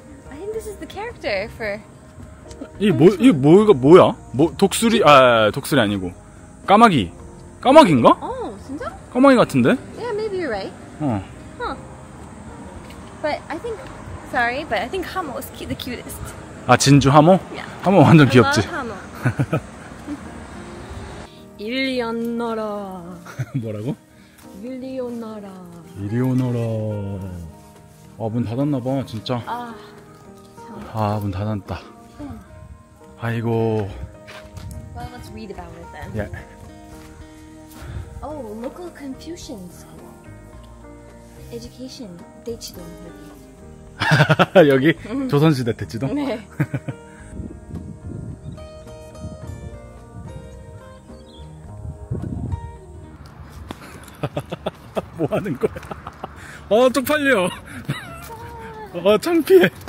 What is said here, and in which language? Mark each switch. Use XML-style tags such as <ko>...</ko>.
<en>I think this is the character for.</en> <ko>이게 뭐야? 뭐 독수리? 아, 독수리 아니고 까마귀. 까마귀인가? 어, 진짜? 까마귀 같은데?</ko> <en>Yeah, maybe you're right.</en> <ko>어.</ko> <en>But I think, sorry, but I think Hamo is the cutest.</en> <ko>아, 진주 하모?</ko> <en>Yeah.</en> <ko>하모 완전 귀엽지. 일리오나라. 뭐라고? 일리오나라. 일리오나라. 아, 문 닫았나 봐, 진짜. 아, 아, 문 닫았다. 아이고.</ko> <en>Well, let's read about it then. Yeah. Oh, local Confucian school.</en> <ko>Education, 대치동 여기. 여기 조선시대 대치동? 네. 뭐 하는 거야? 어, 쪽팔려. 어, 창피해.</ko>